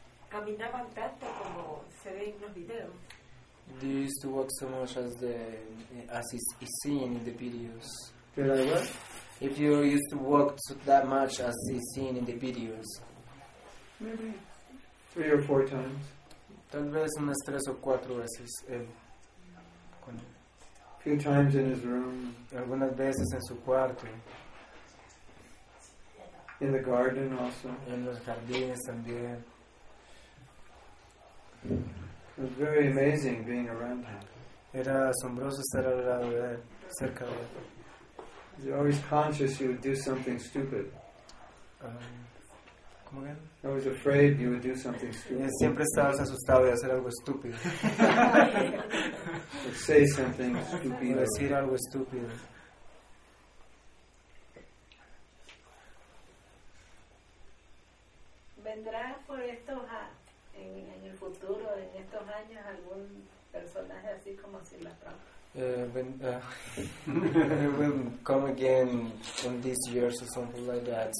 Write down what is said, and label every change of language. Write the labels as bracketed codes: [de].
[es] Caminaban tanto como se ve en los videos. [en] They used to walk so much as is seen in the videos. Did I what? If you used to walk that much as is seen in the videos. Maybe 3 or 4 times. [es] Tal vez unas 3 o 4 veces. [en] Few times in his room. [es] Algunas veces en su cuarto. [en] In the garden also. [es] En los jardines también. [en] It was very amazing being around him. [es] Era asombroso estar al lado de él, cerca de él. [en] You're always conscious you would do something stupid. [es] ¿Cómo que? [en] I was afraid you would do something stupid. [es] Siempre estabas asustado de hacer algo estúpido. [en] Or say something stupid. [es] O decir algo estúpido. ¿Vendrá por esto en el futuro, en estos años, algún personaje así como Srila Prabhupada? [en] Will come again in these years or something like that.